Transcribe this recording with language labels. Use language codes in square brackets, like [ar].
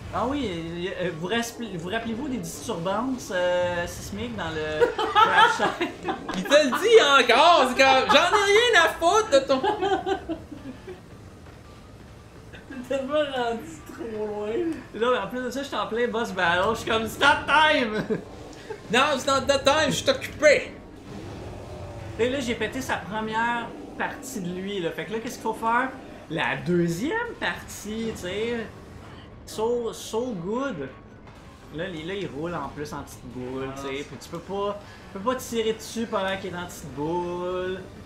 [fr] Ah oui, vous rappelez-vous des disturbances sismiques dans le crash? Il te le dit encore! C'est comme, j'en ai rien à foutre de ton. T'es tellement rendu trop loin. Là, mais en plus de ça, je suis en plein boss battle. Je suis comme, [en] it's not time! [fr] Non, [en] it's not that time, [fr] je suis occupé! Et là, j'ai pété sa première partie de lui. Là. Fait que là, qu'est-ce qu'il faut faire? La deuxième partie, tu sais. [en] So good! [fr] Là, il roule en plus en petite boule, tu sais. Puis tu peux pas tirer dessus pendant qu'il est en petite boule.